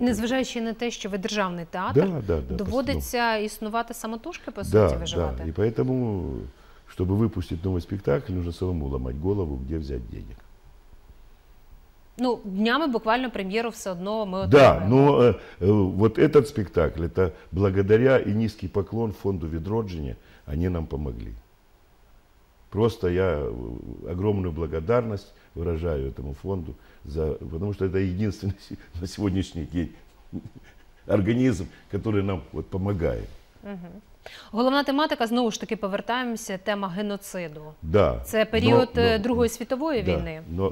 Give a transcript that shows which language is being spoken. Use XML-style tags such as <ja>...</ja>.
<uk>Незважаючи на те, що ви державний театр,</uk> <ru>да,</ru> <uk>доводиться постановка. Існувати самотужки, по</uk> <ru>да,</ru> <uk>суті, виживати.</uk> <ru>Да. І поэтому, чтобы выпустить новый спектакль, нужно самому ломать голову, где взять денег.</ru> <uk>Ну, днями буквально прем'єру все одно ми отримаємо.</uk> <ru>Да, но вот этот спектакль, это благодаря и низкий поклон фонду «Відродження», они нам помогли. Просто я огромную благодарность выражаю этому фонду, за, потому что это единственный на сегодняшний день организм, который нам вот помогает.</ru> <uk>Головна тематика, знову ж таки, повертаємося, тема геноциду.</uk> <ru>Да.</ru> <uk>Це період Другої світової війни.</uk>